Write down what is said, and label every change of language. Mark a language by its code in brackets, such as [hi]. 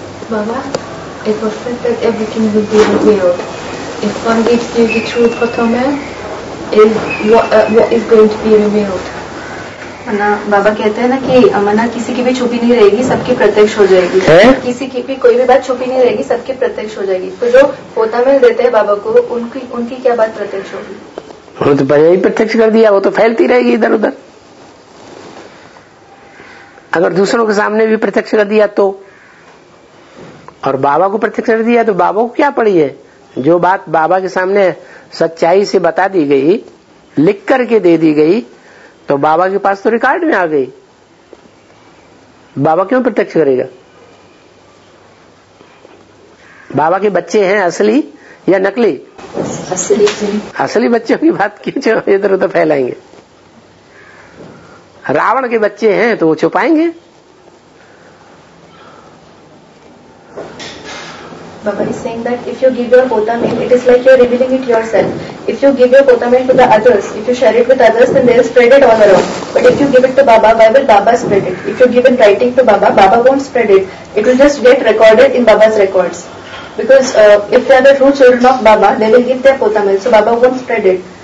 [en] Baba, it was said that everything will be revealed. If one gives you the truth, Kotome, is what is going to be revealed. [hi] बाबा कहते हैं ना कि अमना किसी की भी छुपी नहीं रहेगी, सबकी प्रत्यक्ष हो जाएगी. किसी की भी कोई भी बात छुपी नहीं रहेगी, सबकी प्रत्यक्ष हो जाएगी. तो जो पोता मिल देते हैं बाबा को, उनकी उनकी क्या बात प्रत्यक्ष होगी? तो पहले ही प्रत्यक्ष कर दिया, वो तो फैलती रहेगी इधर उधर. अगर दूसरों के सामने भी प्रत्यक्ष कर दिया तो, और बाबा को प्रत्यक्ष कर दिया तो बाबा को क्या पड़ी है? जो बात बाबा के सामने सच्चाई से बता दी गई, लिख करके दे दी गई, तो बाबा के पास तो रिकॉर्ड में आ गई. बाबा क्यों प्रत्यक्ष करेगा? बाबा के बच्चे हैं असली या नकली? असली. असली बच्चों की बात क्यों इधर उधर फैलाएंगे? रावण के बच्चे हैं तो वो छुपाएंगे? [en] Baba is saying that if you give your potamil, it is like you are revealing it yourself. If you give your potamil to the others, if you share it with others, then they will spread it all around. But if you give it to Baba, why will Baba spread it? If you give in writing to Baba, Baba won't spread it. It will just get recorded in Baba's records. Because if they are the true children of Baba, they will give their potamil, so Baba won't spread it.